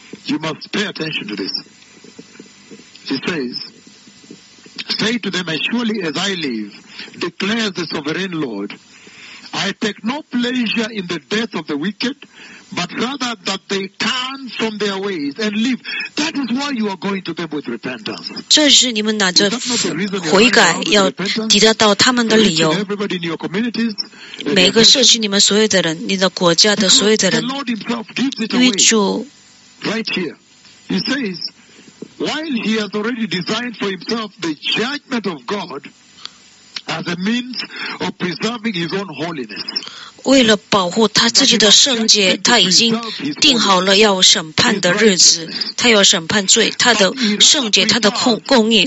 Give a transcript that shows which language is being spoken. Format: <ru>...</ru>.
<en>You must pay attention to this. He says. Say to them, as surely as I live, declares the sovereign Lord, I take no pleasure in the death of the wicked, but rather that they turn from their ways and live. That is why you are going to them with repentance.</en> <zh>这是你们拿着悔改要抵达到他们的理由。</zh> <en>Everybody in your communities,</en> <zh>每个社区你们所有的人，你的国家的所有的人，因为主</zh> <en>right here, he says. While he has already designed for himself the judgment of God as a means of preserving his own holiness,</en> <zh>为了保护他自己的圣洁，他已经定好了要审判的日子，他要审判罪，他的圣洁，他的公义。</zh>